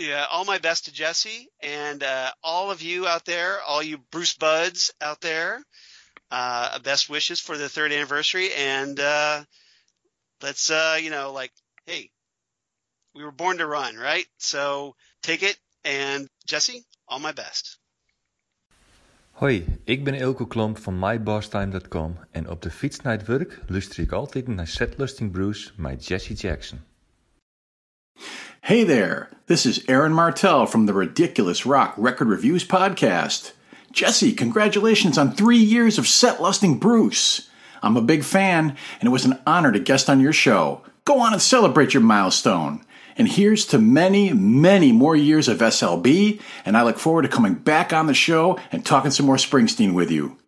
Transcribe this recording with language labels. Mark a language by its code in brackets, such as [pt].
[en] All my best to Jesse and all of you out there, all you Bruce buds out there, best wishes for the third anniversary. And hey, we were born to run, right? So take it. And Jesse, all my best. [nl] Hoi, ik ben Ilko Klomp van mybosstime.com en op de fiets naar het werk luister ik altijd naar Setlusting Bruce by Jesse Jackson. [en] Hey there, this is Aaron Martell from the Ridiculous Rock Record Reviews podcast. Jesse, congratulations on 3 years of Setlusting Bruce. I'm a big fan and it was an honor to guest on your show. Go on and celebrate your milestone. And here's to many, many more years of SLB, and I look forward to coming back on the show and talking some more Springsteen with you.